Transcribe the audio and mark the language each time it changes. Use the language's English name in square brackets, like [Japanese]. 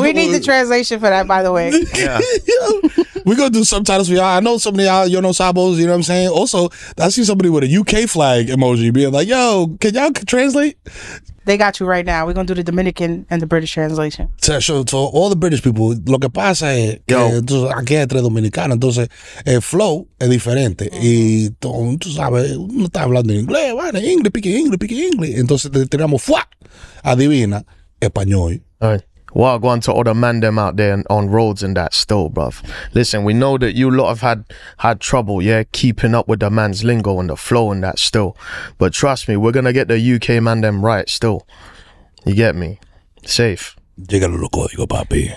[English] We need the translation for that, by the way. Yeah. We're going to do subtitles for y'all. I know some of y'all, [Spanish] yo no sabos, [English] you know what I'm saying? Also, I see somebody with a UK flag emoji being like, yo, can y'all translate? They got you right now. We're going to do the Dominican and the British translation. So to all the British people, [Spanish] lo que pasa es que aquí hay tres dominicanos, entonces el flow es diferente. Y tú sabes, uno está hablando en inglés, bueno, inglés. Entonces tenemos fuá, adivina, español. [English] Well, going to all the man them out there on roads and that still, bruv. Listen, we know that you lot have had trouble, yeah, keeping up with the man's lingo and the flow and that still. But trust me, we're going to get the UK man them right still. You get me? Safe. [Spanish] Llega lo loco, papi.